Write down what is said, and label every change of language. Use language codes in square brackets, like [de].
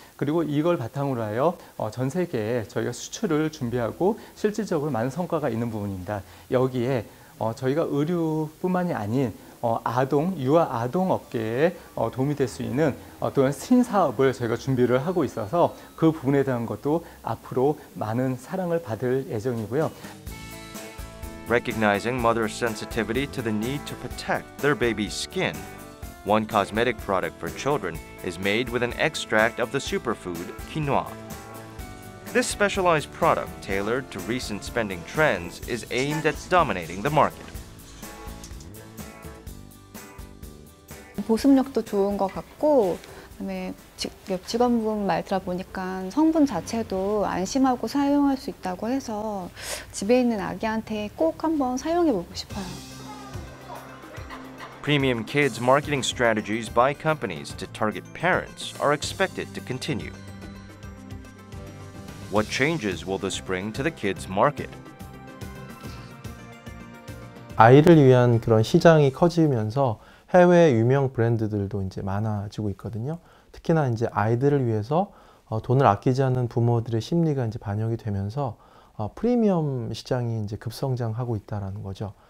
[ko] 그리고 이걸 바탕으로 하여 전 세계에 저희가 수출을 준비하고 실질적으로 많은 성과가 있는 부분입니다. 여기에 저희가 의류뿐만이 아닌 아동, 유아 아동 업계에 도움이 될 수 있는 또한 신사업을 저희가 준비를 하고 있어서 그 부분에 대한 것도 앞으로 많은 사랑을 받을 예정이고요. [en] Recognizing mother's sensitivity to the need to protect their baby's skin, one cosmetic product for children is made with an extract of the superfood quinoa. This specialized product, tailored to recent spending trends, is aimed at dominating the market. [ko] 보습력도 좋은 것 같고, 그다음에 직원분 말 들어보니까 성분 자체도 안심하고 사용할 수 있다고 해서 집에 있는 아기한테 꼭 한번 사용해 보고 싶어요. [en] Premium kids marketing strategies by companies to target parents are expected to continue. What changes will this bring to the kids market? [ko] 아이를 위한 그런 시장이 커지면서 해외 유명 브랜드들도 이제 많아지고 있거든요. 특히나 이제 아이들을 위해서 돈을 아끼지 않는 부모들의 심리가 이제 반영이 되면서 프리미엄 시장이 이제 급성장하고 있다는 거죠.